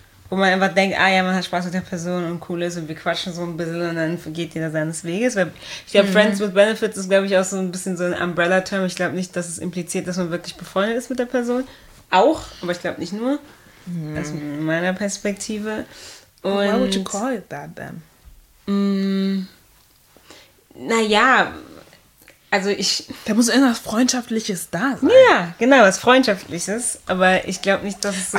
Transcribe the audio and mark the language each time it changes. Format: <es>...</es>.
<de>Wo man einfach denkt, ah ja, man hat Spaß mit der Person und cool ist und wir quatschen so ein bisschen und dann geht jeder seines Weges. Weil ich glaube, Friends with Benefits ist, glaube ich, auch so ein bisschen so ein Umbrella-Term. Ich glaube nicht, dass es impliziert, dass man wirklich befreundet ist mit der Person. Auch, aber ich glaube nicht nur. Aus meiner Perspektive. Und,</de> <en>why would you call it that then?</en> <de>Naja, also ich... Da muss irgendwas Freundschaftliches da sein. Ja, genau, was Freundschaftliches. Aber ich glaube nicht, dass es so...</de>